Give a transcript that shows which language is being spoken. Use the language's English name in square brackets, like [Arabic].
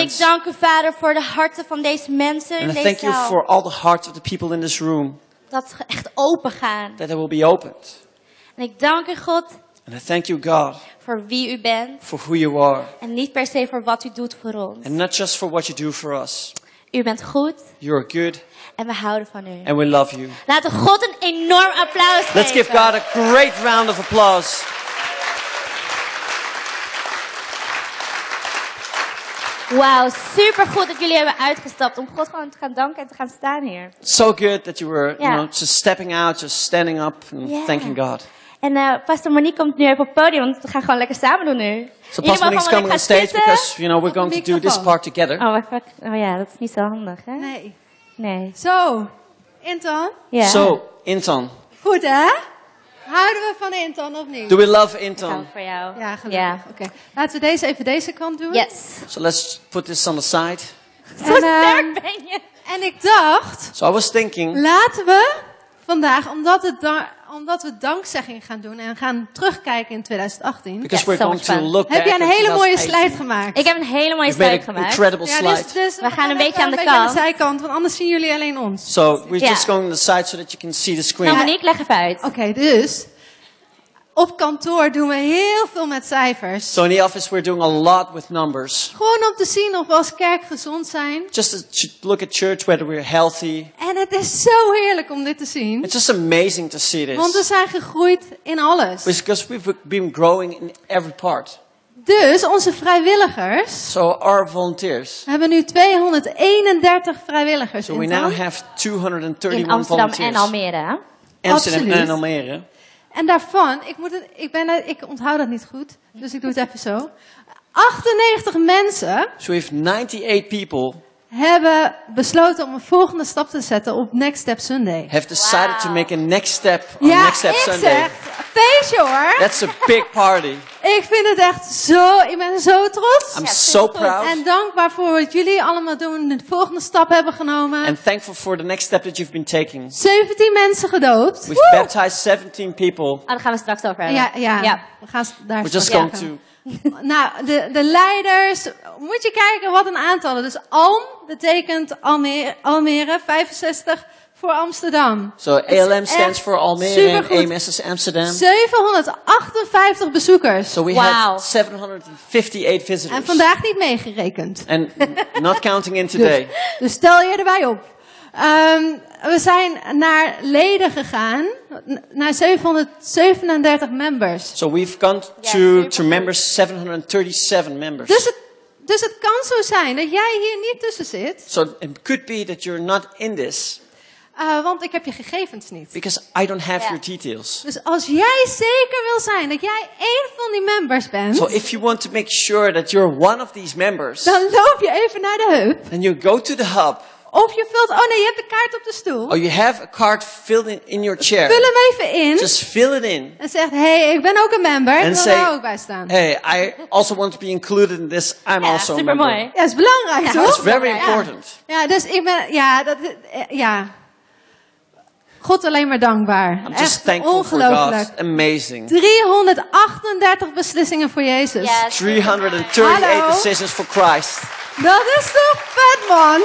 [Dutch] En ik dank u, Vader, voor de harten van deze mensen in deze zaal. [English] Thank you for all the hearts of the people in this room. [Dutch] Dat ze echt open gaan. [English] That they will be opened. [Dutch] En ik dank u, God. [English] And I thank you, God, for [Dutch] wie u bent, [English] for who you are, and [Dutch] niet per se [English] for [Dutch] wat u doet voor ons, [English] and not just for what you do for us. [Dutch] U bent goed, [English] you are good, and [Dutch] we houden van u, [English] and we love you. [Dutch] Laten God een enorm applaus geven. [English] Let's give God a great round of applause. [Dutch] Wow, super goed dat jullie hebben uitgestapt om God gewoon te gaan danken en te gaan staan hier. [English] So good that you were, yeah, you know, just stepping out, just standing up and, yeah, thanking God. [Dutch] En Pastor Monique komt nu even op het podium, want we gaan gewoon lekker samen doen nu. [English] So Pastor Monique's coming on stage because, you know, we're going to do this part together. [Dutch] Oh ja, dat is niet zo handig, hè? Nee. Zo, Intan. [English] Yeah. [Dutch] Zo, [English] Intan. [Dutch] Goed, hè? Houden we van Intan of niet? [English] Do we love Intan? [Dutch] Ik hou voor jou. Ja, gelukkig. [English] Yeah. [Dutch] Oké. [English] Okay. [Dutch] Laten we deze even deze kant doen. [English] Yes. So let's put this on the side. [Dutch] Zo sterk ben je. En ik dacht... [English] So I was thinking... [Dutch] Laten we vandaag, omdat het daar... Omdat we dankzegging gaan doen en gaan terugkijken in 2018. [English] Yes, so going to look [Dutch] heb jij een hele mooie slide gemaakt? Ik heb een hele mooie slide gemaakt. Ja, dus we gaan een beetje aan de zijkant, want anders zien jullie alleen ons. [English] So we're just going to the side so that you can see the screen. [Dutch] Nou, Monique, leg even uit. Okay, dus op kantoor doen we heel veel met cijfers. [English] So in the office we're doing a lot with numbers. [Dutch] Gewoon om te zien of we als kerk gezond zijn. [English] Just to look at church whether we're healthy. [Dutch] En het is zo heerlijk om dit te zien. [English] It's just amazing to see this. [Dutch] Want we zijn gegroeid in alles. [English] Because we've been growing in every part. [Dutch] Dus onze vrijwilligers. [English] So our volunteers. [Dutch] We hebben nu 231 vrijwilligers. [English] So we now have 231 volunteers. In Amsterdam volunteers. [Dutch] En Almere. Amsterdam en Almere. En daarvan, ik onthoud dat niet goed, dus ik doe het even zo. 98 mensen. [English] So if 98 people [Dutch] hebben besloten om een volgende stap te zetten op Next Step Sunday. [English] Have decided to make a next step on Next Step Sunday. [Dutch] Ja, ik zeg, feestje hoor. [English] That's a big party. [Dutch] Ik vind het echt zo. Ik ben zo trots. [English] I'm so proud. [Dutch] En dankbaar voor wat jullie allemaal doen, de volgende stap hebben genomen. [English] And thankful for the next step that you've been taking. [Dutch] 17 mensen gedoopt. [English] We've Woo! Baptized 17 people. [Dutch] Ah, daar gaan we straks over hebben. Ja. We gaan daar. [English] We're just going to. [Dutch] Nou, de leiders, moet je kijken wat een aantallen. Dus Alm betekent Almere, 65 voor Amsterdam. [English] So ALM stands for Almere, AMS is Amsterdam. [Dutch] 758 bezoekers. [English] So we had 758 visitors. [Dutch] En vandaag niet meegerekend. [English] And not counting in today. [Dutch] Dus tel je erbij op. We zijn naar leden gegaan, naar 737 members. [English] So we've gone to members, 737 members. [Dutch] Dus het kan zo zijn dat jij hier niet tussen zit. [English] So it could be that you're not in this. [Dutch] Want ik heb je gegevens niet. [English] Because I don't have your details. [Dutch] Dus als jij zeker wil zijn dat jij één van die members bent. [English] So if you want to make sure that you're one of these members. [Dutch] Dan loop je even naar de hub. [English] Then you go to the hub. [Dutch] Of je vult, oh nee, je hebt de kaart op de stoel. [English] Oh, you have a card filled in your chair. [Dutch] Vul hem even in. [English] Just fill it in. [Dutch] En zegt, hey, ik ben ook een member. En wil daar ook bij staan. [English] Hey, I also want to be included in this. I'm also a member. [Dutch] Ja, supermooi. Ja, is belangrijk, toch? [English] It's very important. [Dutch] Ja, dus ik ben, God alleen maar dankbaar. [English] I'm just [Dutch] echt [English] thankful [Dutch] ongelooflijk. [English] For God. Amazing. [Dutch] 338 beslissingen voor Jezus. [English] Yes, 338 decisions for Christ. [Dutch] Dat is toch vet, man.